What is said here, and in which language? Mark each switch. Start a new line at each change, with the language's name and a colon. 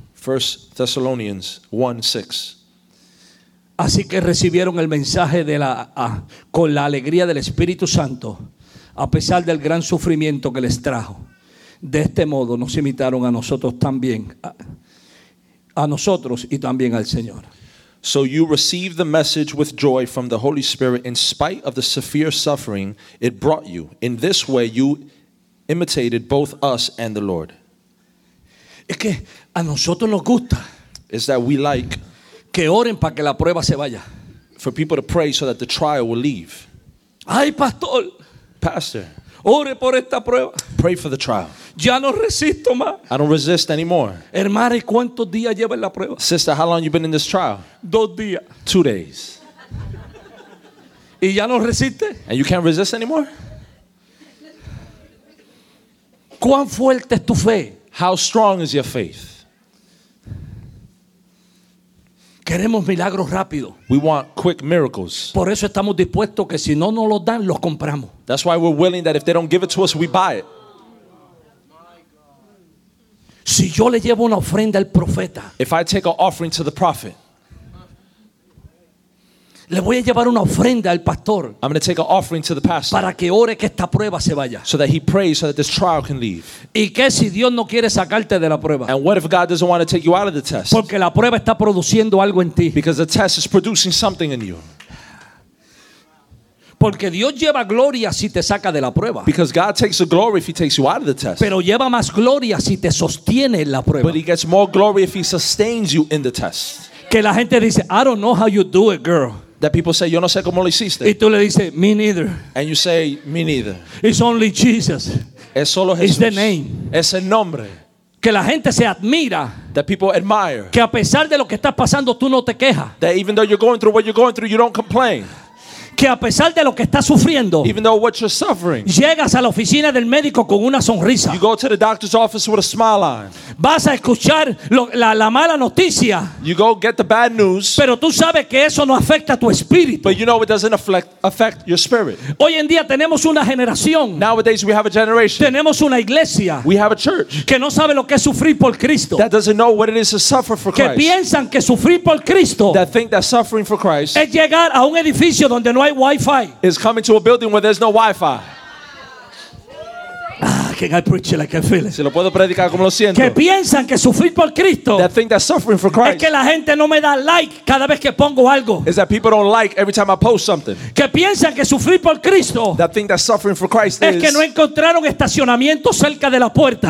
English: First Thessalonians 1:6.
Spanish: Así que recibieron el mensaje de la con la alegría del Espíritu Santo, a pesar del gran sufrimiento que les trajo. De este modo nos imitaron a nosotros también, a nosotros y también al Señor.
English: So you received the message with joy from the Holy Spirit in spite of the severe suffering it brought you. In this way you imitated both us and the Lord.
Spanish: Es que a nosotros nos gusta.
English: Is that we like.
Spanish: Que oren para que la prueba se vaya.
English: For people to pray so that the trial will leave.
Spanish: Ay, pastor. Pastor. Ore por esta prueba.
English: Pray for the trial.
Spanish: Ya no resisto más.
English: I don't resist anymore.
Spanish: Hermana, ¿cuántos días lleva en la prueba?
English: Sister, how long you been in this trial?
Spanish: 2 días.
English: 2 days.
Spanish: ¿Y ya no resiste?
English: And you can't resist anymore?
Spanish: ¿Cuán fuerte es tu fe?
English: How strong is your faith?
Spanish: Queremos milagros rápido.
English: We want quick miracles.
Spanish: Por eso estamos dispuestos que si no nos los dan, los compramos.
English: That's why we're willing that if they don't give it to us, we buy it.
Spanish: Si yo le llevo una ofrenda al profeta.
English: If I take an offering to the prophet.
Spanish: Le voy a llevar una ofrenda al pastor.
English: I'm going to take an offering to the pastor.
Spanish: Para que ore que esta prueba se vaya.
English: So that he prays so that this trial can leave.
Spanish: ¿Y qué si Dios no quiere sacarte de la prueba?
English: And what if God doesn't want to take you out of the test?
Spanish: Porque la prueba está produciendo algo en ti.
English: Because the test is producing something in you.
Spanish: Porque Dios lleva gloria si te saca de la prueba.
English: Because God takes the glory if he takes you out of the test.
Spanish: Pero lleva más gloria si te sostiene en la prueba.
English: But he gets more glory if he sustains you in the test.
Spanish: Que la gente dice,
English: I don't know how you do it, girl. That people say,
Spanish: yo no sé cómo lo hiciste. Y tú le dices,
English: me neither. And you say, me neither. It's only Jesus.
Spanish: Es solo Jesús.
English: It's the name.
Spanish: Es el nombre. Que la gente se admira.
English: That people admire.
Spanish: Que a pesar de lo que estás pasando, tú no te quejas.
English: That even though you're going through what you're going through, you don't complain.
Spanish: que a pesar de lo que estás sufriendo,
English: even though what you're suffering,
Spanish: llegas a la oficina del médico con una sonrisa.
English: You go to the doctor's office with a smile on.
Spanish: Vas a escuchar la mala noticia.
English: You go get the bad news.
Spanish: Pero tú sabes que eso no afecta a tu espíritu.
English: But you know it doesn't affect your spirit.
Spanish: Hoy en día tenemos una generación.
English: Nowadays we have a generation.
Spanish: Tenemos una iglesia.
English: We have a church.
Spanish: Que no sabe lo que es sufrir por Cristo.
English: That doesn't know what it is to suffer for Christ.
Spanish: Que piensan que sufrir por Cristo.
English: That think that suffering for Christ.
Spanish: Es llegar a un edificio donde no hay Wi-Fi.
English: Is coming to a building where there's no Wi-Fi. Can I preach it like I feel it?
Spanish: Si lo puedo predicar como lo siento. Que piensan que sufrir por Cristo.
English: That think that suffering for Christ.
Spanish: Es que la gente no me da like cada vez que pongo algo.
English: Is that people don't like every time I post something.
Spanish: Que piensan que sufrir por Cristo.
English: That think that suffering for Christ
Spanish: es que no encontraron estacionamiento cerca de la puerta.